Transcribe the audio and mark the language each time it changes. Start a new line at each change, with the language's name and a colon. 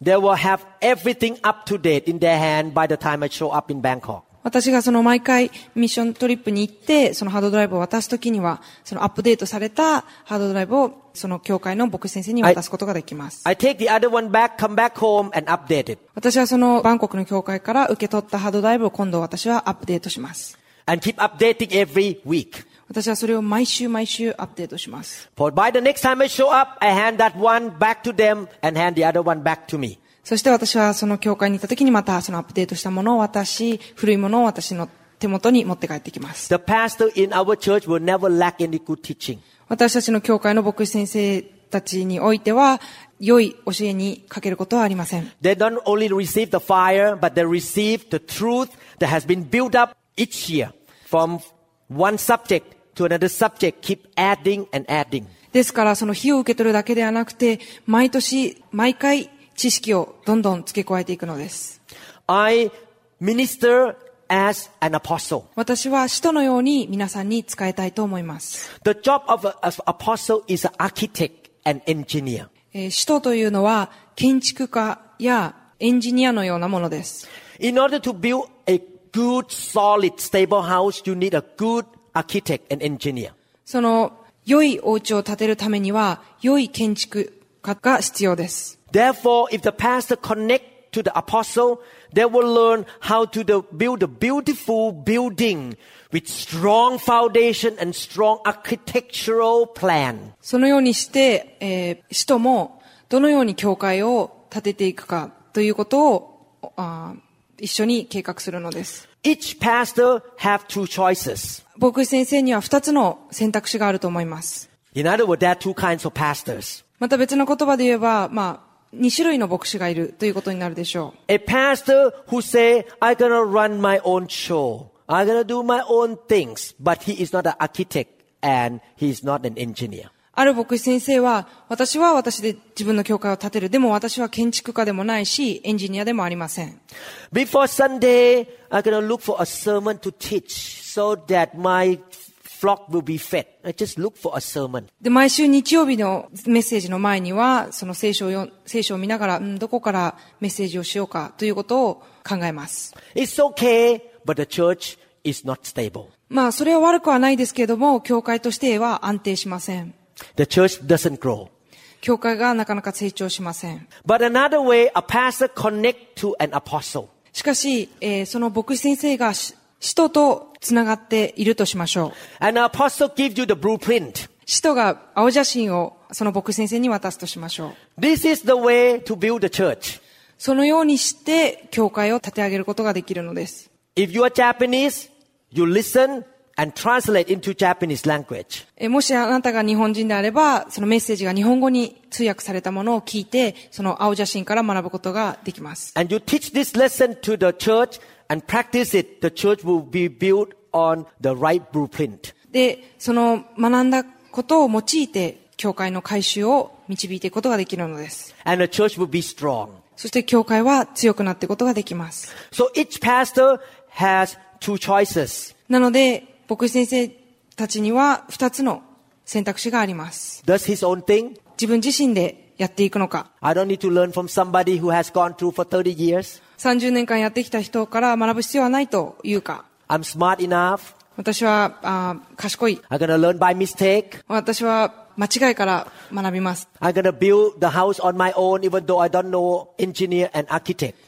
English: They will have everything up to date in their hand by the time I show up in Bangkok.
Japanese: 私がその毎回ミッショントリップに行ってそのハードドライブを渡すときにはそのアップデートされたハードドライブをその教会の牧師先生に渡すことができます。
English: I take the other one back, come back home and update it.
Japanese: 私はそのバンコクの教会から受け取ったハードドライブを今度私はアップデートします。
English: And keep updating every week.
Japanese: 私はそれを毎週毎週アップデートします。
English: For by the next time I show up, I hand that one back to them and hand the other one back to me.
Japanese: そして私はその教会に行った時にまたそのアップデートしたものを渡し、古いものを私の手元に持って帰ってきます。
English: The pastor in our church will never lack any good teaching.
Japanese: 私たちの教会の牧師先生たちにおいては、良い教えに欠けることはありません。
English: They don't only receive the fire, but they receive the truth that has been built up each year from one subject to another subject, keep adding and adding.
Japanese: ですからその火を受け取るだけではなくて、毎年、毎回知識をどんどん付け加えていくのです。
English: I ministerAs an apostle.
Japanese: 私は使徒のように皆さんに使いたいと思います。
English: The job of an apostle is an architect and engineer.
Japanese: 使徒というのは建築家やエンジニアのようなものです。
English: In order to build a good, solid, stable house, you need a good architect and engineer.
Japanese: その良いお家を建てるためには良い建築家が必要です。
English: Therefore, if the pastor connects to the apostle,They will learn how to build a beautiful building with strong foundation and strong architectural plan.
Japanese: そのようにして、使徒もどのように教会を建てていくかということを、一緒に計画するのです。
English: Each pastor have two choices.
Japanese: 牧師先生には二つの選択肢があると思います。
English: In other words, there are two kinds of pastors.
Japanese: また別の言葉で言えば、まあ、二種類の牧師がいるということになるでしょう。
English: A pastor who say, I'm gonna run my own show. I'm gonna do my own things. But he is not an architect and he is not an engineer.
Japanese: ある牧師先生は、私は私で自分の教会を建てる。でも私は建築家でもないし、エンジニアでもありません。
English: Before Sunday, I'm gonna look for a sermon to teach so that my flock will be fed. I just look for a sermon.
Japanese: で、毎週日曜日のメッセージの前には、その聖書を見ながら、どこからメッセージをしようかということを考えます。
English: It's okay, but the church is not stable.
Japanese: まあ、それは悪くはないですけれども、教会としては安定しません。
English: The church doesn't grow.
Japanese: 教会がなかなか成長しません。
English: But another way, a pastor connect to an apostle.
Japanese: しかし、その牧師先生が使徒とつながっているとしましょう。
English: An apostle gives you the blueprint.
Japanese: 使徒が青写真をその牧師先生に渡すとしましょう。
English: This is the way to build the church.
Japanese: そのようにして教会を立て上げることができるのです。
English: If you are Japanese, you listen and translate into Japanese language.
Japanese: もしあなたが日本人であれば、そのメッセージが日本語に通訳されたものを聞いて、その青写真から学ぶことができます。
English: And you teach this lesson to the church. And practice it, the church will be built on the right blueprint.
Japanese: で、その学んだことを用いて、教会の改修を導いていくことができるのです。
English: And the church will be strong.
Japanese: そして教会は強くなっていくことができます。
English: So each pastor has two choices.
Japanese: なので、牧師先生たちには二つの選択肢があります。
English: Does his own thing?
Japanese: 自分自身でやっていくのか。
English: I don't need to learn from somebody who has gone through for 30 years.
Japanese: 30年間やってきた人から学ぶ必要はないというか。
English: I'm smart enough.
Japanese: 私は、賢い。
English: I'm gonna learn by mistake.
Japanese: 私は間違いから学びます。
English: I'm gonna build the house on my own even though I don't know engineer and architect.